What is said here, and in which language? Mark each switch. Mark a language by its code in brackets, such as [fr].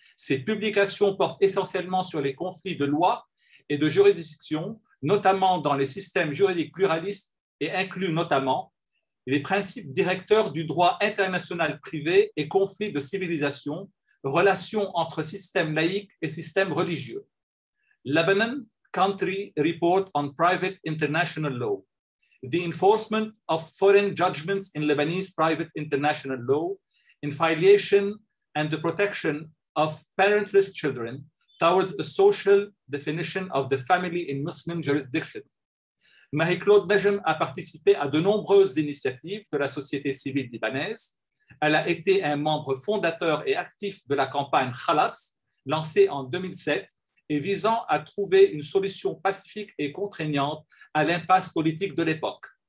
[fr] Ses publications portent essentiellement sur les conflits de loi et de juridiction, notamment dans les systèmes juridiques pluralistes et incluent notamment les principes directeurs du droit international privé et conflits de civilisation, relations entre systèmes laïcs et systèmes religieux. [en] Lebanon Country Report on Private International Law, The Enforcement of Foreign Judgments in Lebanese Private International Law, in Filiation and the Protection of Parentless Children Towards a Social Definition of the Family in Muslim Jurisdiction. [fr] Marie-Claude Najma a participé à de nombreuses initiatives de la société civile libanaise. Elle a été un membre fondateur et actif de la campagne Khalas, lancée en 2007 et visant à trouver une solution pacifique et contraignante à l'impasse politique de l'époque.